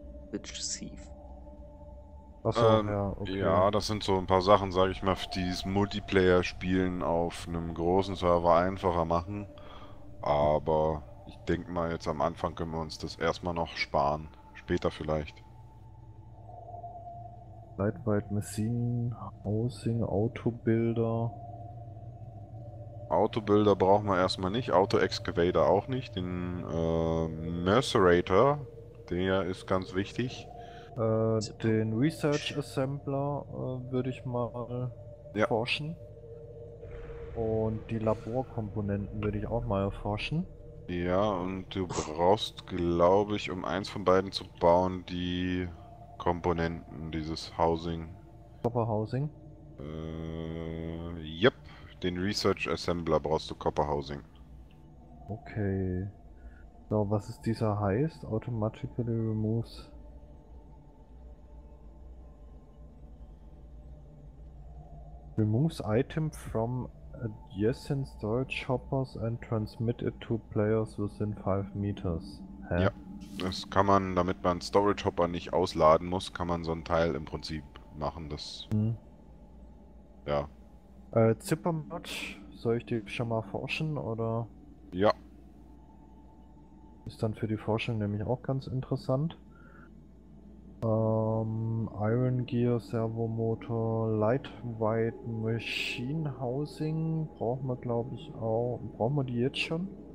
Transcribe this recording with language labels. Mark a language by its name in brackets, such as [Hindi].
[English] Witch Thief. [German] Achso, ja, okay. Ja, das sind so ein paar Sachen, sag ich mal, die das Multiplayer-Spielen auf einem großen Server einfacher machen. Aber ich denke mal, jetzt am Anfang können wir uns das erstmal noch sparen. Später vielleicht. [English] Lightweight Machine, Housing, Autobuilder. [German] Autobuilder brauchen wir erstmal nicht, Auto-Excavator auch nicht, den Mercerator, der ist ganz wichtig. Den Research Assembler würde ich mal erforschen. Und die Laborkomponenten würde ich auch mal erforschen. Ja, und du brauchst, glaube ich, um eins von beiden zu bauen, die Komponenten, dieses Housing. [English] Copper Housing? [German] Yep. Den Research Assembler brauchst du Copper Housing. Okay. So, was ist dieser heißt? [English] Automatically removes. Removes item from adjacent storage hoppers and transmit it to players within 5 meters. Hä? [German] Ja, das kann man, damit man Storage Hopper nicht ausladen muss, kann man so ein Teil im Prinzip machen, das... Hm. Ja. Zippermod, soll ich die schon mal forschen, oder? Ja. Ist dann für die Forschung nämlich auch ganz interessant. Iron Gear, Servomotor, Lightweight Machine Housing brauchen wir, glaube ich, auch. Brauchen wir die jetzt schon?